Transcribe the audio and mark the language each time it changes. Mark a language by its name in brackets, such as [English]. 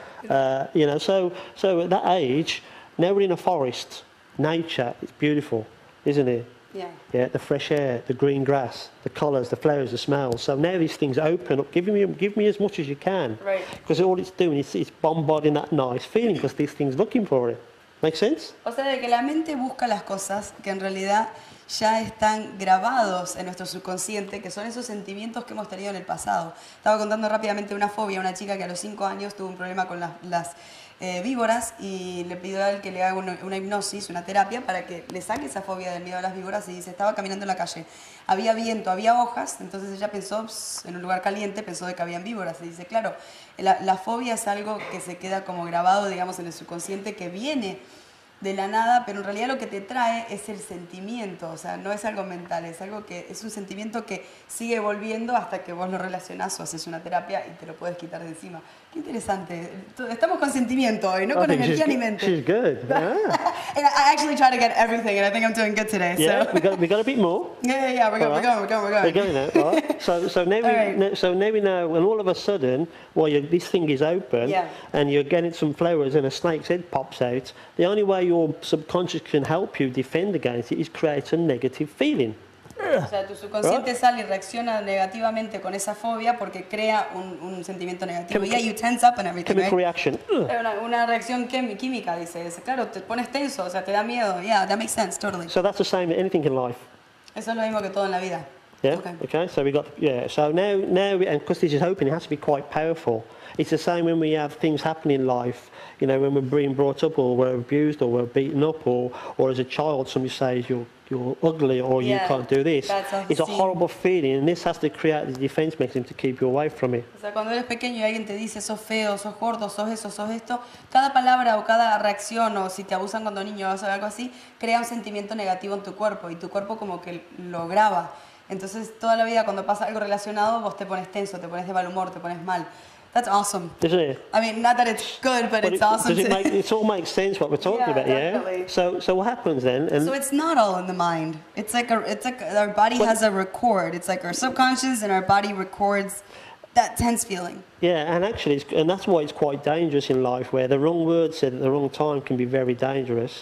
[English] You know, so at that age, now we're in a forest. Nature, it's beautiful, isn't it? Yeah. Yeah, the fresh air, the green grass, the colours, the flowers, the smells. So now these things open up. Give me as much as you can. Right. Because all it's doing is it's bombarding that nice feeling because this thing's looking for it. Make sense? [Spanish] O sea, de que la mente busca las cosas que en realidad ya están grabados en nuestro subconsciente, que son esos sentimientos que hemos tenido en el pasado. Estaba contando rápidamente una fobia, una chica que a los 5 años tuvo un problema con las víboras y le pidió a él que le haga una hipnosis, una terapia, para que le saque esa fobia del miedo a las víboras. Y dice, estaba caminando en la calle, había viento, había hojas, entonces ella pensó, en un lugar caliente, pensó de que habían víboras. Y dice, claro, la fobia es algo que se queda como grabado, digamos, en el subconsciente, que viene de la nada, pero en realidad lo que te trae es el sentimiento, o sea, no es algo mental, es algo que es un sentimiento que sigue volviendo hasta que vos lo relacionás o haces una terapia y te lo puedes quitar de encima. Qué interesante. Estamos con sentimiento hoy, no con energía ni mente. [English] She's good. Yeah. And I actually try to get everything, and I think I'm doing good today. Yeah, so. we got a bit more. Yeah, we're going. So now we know, and all of a sudden, well, this thing is open, yeah, and you're getting some flowers, and a snake's head pops out. The only way your subconscious can help you defend against it is create a negative feeling. [Spanish] O sea, tu subconsciente sale y reacciona negativamente con esa fobia porque crea un sentimiento negativo. [English] Y you tense up and everything. Chemical reaction. [Spanish] Una reacción química, dices. Claro, te pones tenso, o sea, te da miedo. [English] Yeah, that makes sense, totally. So that's the same with anything in life. [Spanish] Eso es lo mismo que todo en la vida. [English] Yeah. Okay. So we got. Yeah. So now, and because this is open, it has to be quite powerful. It's the same when we have things happen in life. You know, when we're being brought up, or we're abused, or we're beaten up, or as a child, somebody says you're ugly, or yeah, you can't do this. It's scene. A horrible feeling, and this has to create the defense mechanism to keep you away from it. [Spanish] O sea, cuando eres pequeño y alguien te dice sos feo, sos gordo, sos eso, sos esto, cada palabra o cada reacción, o si te abusan cuando niño o algo así, crea un sentimiento negativo en tu cuerpo, y tu cuerpo como que lo graba. Entonces, toda la vida, cuando pasa algo relacionado, vos te pones tenso, te pones de mal humor, te pones mal. [English] That's awesome. Isn't it? I mean, not that it's good, but it's awesome. It all makes sense what we're talking about, definitely. Yeah? So what happens then? And so it's not all in the mind. It's like our body has a record. It's like our subconscious and our body records that tense feeling. Yeah, and actually, and that's why it's quite dangerous in life, where the wrong word said at the wrong time can be very dangerous.